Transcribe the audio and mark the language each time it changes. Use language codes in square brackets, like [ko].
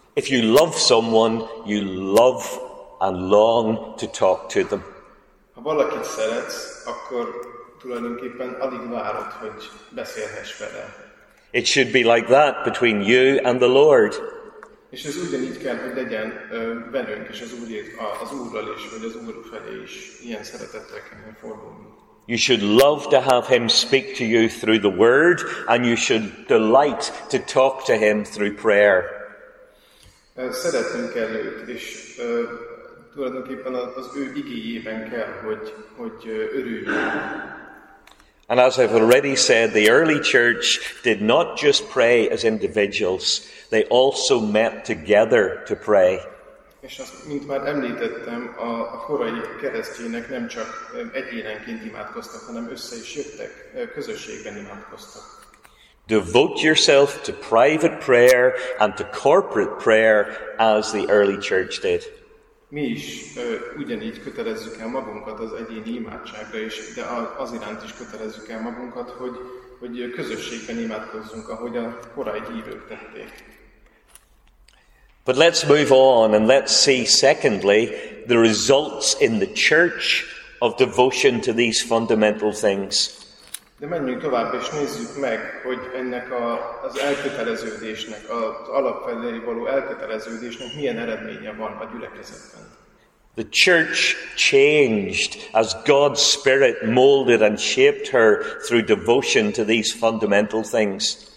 [en] If you love someone, you love and long to talk to them. [hu] Ha valakit szeretsz, akkor tulajdonképpen alig várod, hogy beszélhess vele. [en] It should be like that between you and the Lord. [hu] És ez ugyanígy kell, hogy legyen velünk, és az Úrral is, vagy az Úr felé is ilyen szeretettel kell fordulni. [en] You should love to have him speak to you through the word, and you should delight to talk to him through prayer. [hu] Szeretnünk kell őt, és tulajdonképpen az ő igéjében kell, hogy örüljünk. [en] And as I've already said, the early church did not just pray as individuals, they also met together to pray. [hu] És azt, mint már említettem, a korai keresztények nem csak egyénenként imádkoztak, hanem össze is jöttek, közösségben imádkoztak. [en] Devote yourself to private prayer and to corporate prayer as the early church did. [hu] Mi is ugyanígy kötelezzük el magunkat az egyéni imádságra is, de az iránt is kötelezzük el magunkat, hogy közösségben imádkozzunk, ahogy a korai hívők tették. [en] But let's move on and let's see secondly the results in the church of devotion to these fundamental things. [hu] De menjünk tovább és nézzük meg, hogy ennek az elköteleződésnek, az alapfelé való elköteleződésnek milyen eredménye van a gyülekezetben. [en] The church changed as God's Spirit molded and shaped her through devotion to these fundamental things.